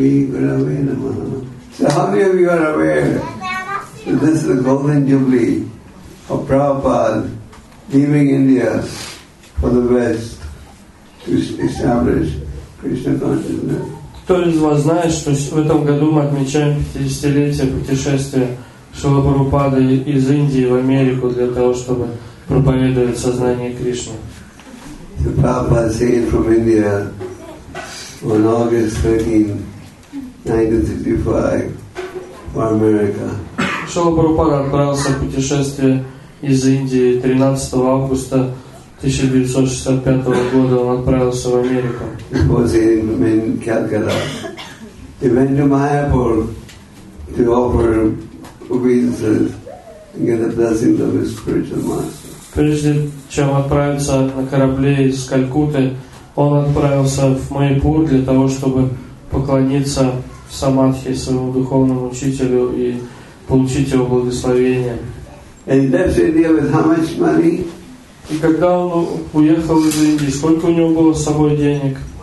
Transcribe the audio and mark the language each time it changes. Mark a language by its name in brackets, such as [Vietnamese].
[English] So how many of you are aware that this is the Golden Jubilee of Prabhupada leaving India for the West to establish Krishna consciousness? [Russian] Кто из вас знает, что в этом году мы отмечаем 50-летие путешествия Шрилы Прабхупады из Индии в Америку для того, чтобы проповедовать сознание Кришны? [English] The Prabhupada sailed from India on August 13, 1965, for America. [Russian] Шрила Прабхупада отправился в путешествие из Индии 13 августа 1965 года. Он отправился в Америку. [English] He was in Calcutta. He went to Mayapur to offer obeisances and get the blessings of his spiritual master. [Russian] Прежде чем отправиться на корабле из Калькутты, он отправился в Майпур для того, чтобы поклониться Самадхи, своему духовному учителю, и получить его благословение. И когда он уехал из Индии, сколько у него было с собой денег?